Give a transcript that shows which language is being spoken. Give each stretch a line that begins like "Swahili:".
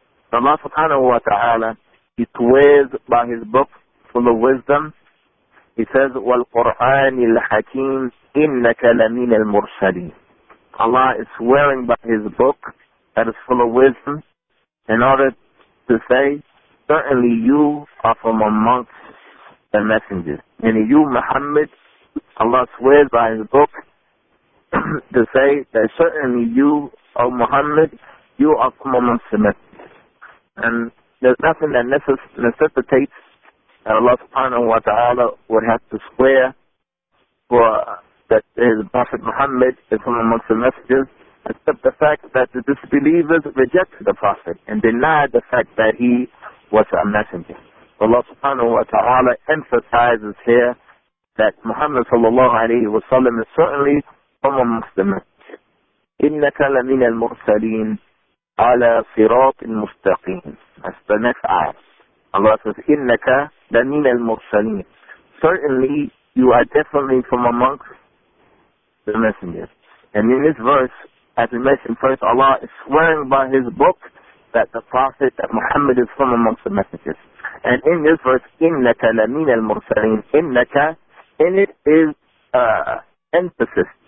English: So Allah subhanahu wa ta'ala, He swears by His book full of wisdom. He says,
Arabic: وَالْقُرْآنِ الْحَكِيمِ إِنَّكَ لَمِنَ الْمُرْسَلِينَ.
English: Allah is swearing by His book that is full of wisdom in order to say, certainly you are from amongst the messengers. And you, Muhammad, Allah swears by His book to say that certainly you, O Muhammad, you are from amongst the messengers. And there's nothing that necessitates that Allah subhanahu wa ta'ala would have to swear for that His Prophet Muhammad is from amongst the messengers, except the fact that the disbelievers rejected the Prophet and denied the fact that he was a messenger. Allah subhanahu wa ta'ala emphasizes here that Muhammad sallallahu alayhi wa sallam is certainly from amongst the messengers.
Arabic: إِنَّكَ لَمِنَ الْمُرْسَلِينَ عَلَى صِرَاطٍ مُسْتَقِيمٍ.
English: That's the next ayah. Allah says,
Arabic: إِنَّكَ لَمِنَ الْمُرْسَلِينَ.
English: Certainly, you are definitely from amongst the messengers. And in this verse, as we mentioned first, Allah is swearing by His book that the Prophet, that Muhammad is from amongst the messengers. And in this verse,
Arabic: إِنَّكَ لَمِنَ الْمُرْسَلِينَ. إِنَّكَ,
English: in it is emphasis.